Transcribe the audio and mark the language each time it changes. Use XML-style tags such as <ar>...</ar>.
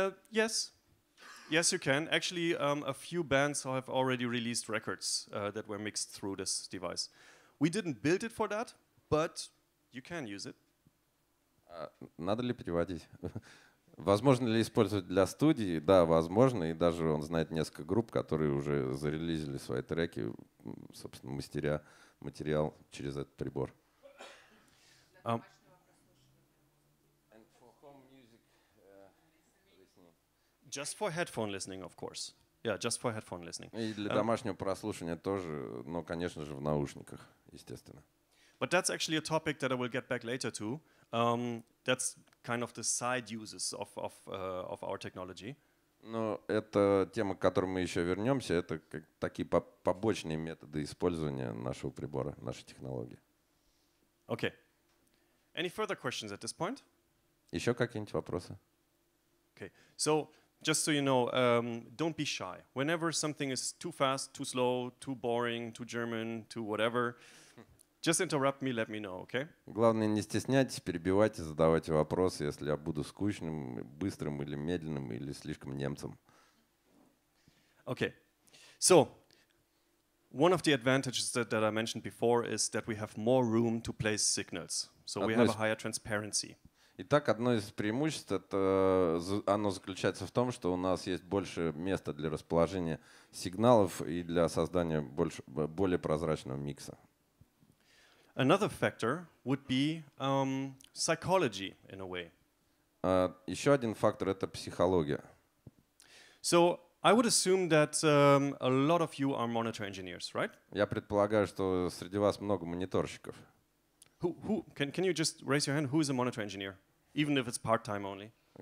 <en>Yes. Yes, you can. Actually, a few bands have already released records that were mixed through this device. We didn't build it for that, but you can use it.</en> <ru>Надо ли переводить? Возможно ли использовать для студии? Да, возможно. И даже он знает несколько групп, которые уже зарелизили свои треки, собственно, мастеря материал через этот прибор.</ru> <en>And for home music listening. Just for headphone listening, of course. Yeah, just for headphone listening.</en> <ru>И для домашнего прослушивания тоже, но, конечно же, в наушниках, естественно.</ru> <en>But that's actually a topic that I will get back later to. That's kind of the side uses of our technology.</en> <ru>Но это тема, к которой мы еще вернемся. Это как такие побочные методы использования нашего прибора, нашей технологии.</ru> <en>Okay. Any further questions at this point?</en> <ru>Еще какие-нибудь вопросы?</ru> <en>Okay. So, just so you know, don't be shy. Whenever something is too fast, too slow, too boring, too German, too whatever, just interrupt me, let me know, okay?</en> <ru>Главное, не стесняйтесь, перебивайте, задавайте вопросы, если я буду скучным, быстрым или медленным, или слишком немцем.</ru> <en>Okay. So, one of the advantages that I mentioned before is that we have more room to place signals. So we have a higher transparency.</en> <ru>Итак, одно из преимуществ, оно заключается в том, что у нас есть больше места для расположения сигналов и для создания более прозрачного микса.</ru> <en>another factor would be psychology in a way.</en> <ru>Еще один фактор — это психология.</ru> <en>So I would assume that a lot of you are monitor engineers, right?</en> <ru>Я предполагаю, что среди вас много мониторщиков.</ru> <en>Can you just raise your hand? Who is a monitor engineer, even if it's part-time only?</en>